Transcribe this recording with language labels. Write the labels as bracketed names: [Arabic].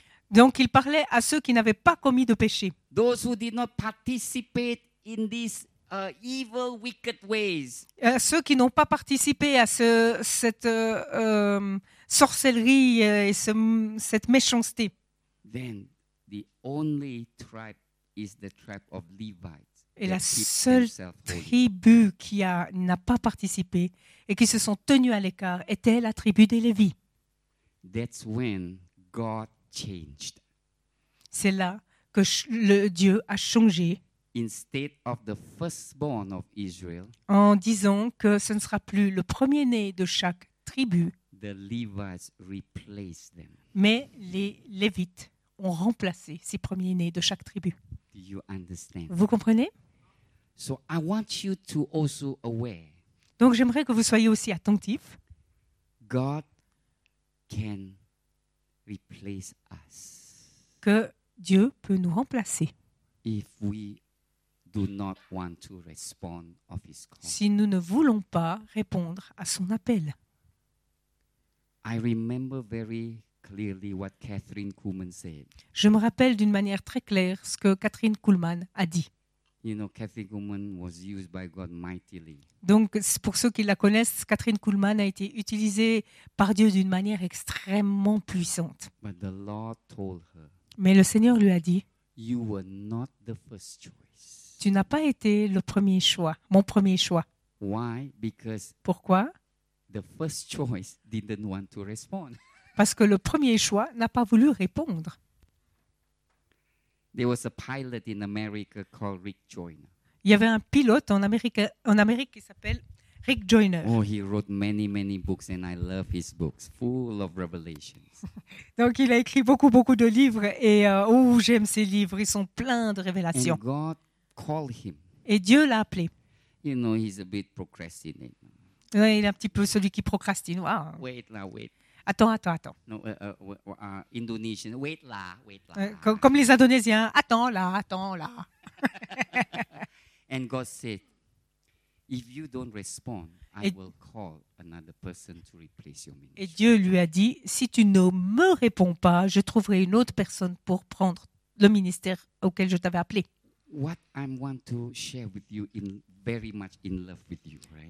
[French] Donc il parlait à ceux qui n'avaient pas commis de péché. [English] Those who did not participate in these, evil, wicked ways. [French] Ceux qui n'ont pas participé à cette sorcellerie et cette méchanceté. [English] Then the only tribe is the tribe of Levi. [French] Et la seule tribu qui n'a pas participé et qui se sont tenus à l'écart était la tribu des Lévi. [English] That's when God changed. [French] C'est là que Dieu a changé. [English] Instead of the firstborn of Israel, [French] en disant que ce ne sera plus le premier-né de chaque tribu, [English] the Levites replaced them. [French] Mais les Lévites ont remplacé ces premiers-nés de chaque tribu. [English] Do you understand? [French] Vous comprenez? [English] So I want you to also aware. [French] Donc j'aimerais que vous soyez aussi attentif. [English] God can replace us. [French] Que Dieu peut nous remplacer. [English] If we do not want to respond of his call. [French] Si nous ne voulons pas répondre à son appel. [English] I remember very clearly what Catherine Kuhlman said. [French] Je me rappelle d'une manière très claire ce que Catherine Kuhlman a dit. [English] You know, Catherine Kuhlman was used by God mightily. [French] Donc, pour ceux qui la connaissent, Catherine Kuhlman a été utilisée par Dieu d'une manière extrêmement puissante. [English] But the Lord told her, [French] mais le Seigneur lui a dit, [English] you were not the first choice. [French] Tu n'as pas été le premier choix, mon premier choix. [English] Why? Because [French] pourquoi? [English] The first choice didn't want to respond. [French] Parce que le premier choix n'a pas voulu répondre. [English] There was a pilot in America called Rick Joyner. [French] Il y avait un pilote en Amérique qui s'appelle Rick Joyner. [English] Oh, he wrote many, many books and I love his books, full of revelations. [French] Donc il a écrit beaucoup, beaucoup de livres et j'aime ses livres, ils sont pleins de révélations. [English] And God called him. [French] Et Dieu l'a appelé. [English] You know, he's a bit procrastinate. [French] Ouais, il est un petit peu celui qui procrastine. Wow. [English] Wait, now wait. [French] Attends. [English] No, Indonesian, wait là. [French] Comme les Indonésiens, attends là. [English] And God said, if you don't respond, I will call another person to replace your ministry. [French] Et Dieu lui a dit, si tu ne me réponds pas, je trouverai une autre personne pour prendre le ministère auquel je t'avais appelé. [English] What I want to share with you in very much in love with you, right?